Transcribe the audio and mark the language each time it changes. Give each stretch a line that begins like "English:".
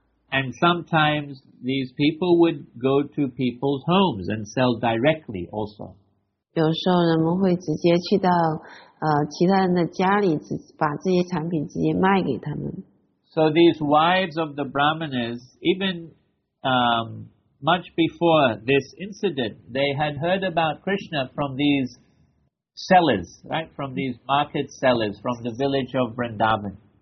English: And sometimes these people would go to people's homes and sell directly also.
Chinese: 有时候人们会直接去到其他人的家里，把这些产品直接卖给他们。
English: So these wives of the brahmanas, even much before this incident, they had heard about Krishna from these sellers, right? From these market sellers from the village of Vrindavan.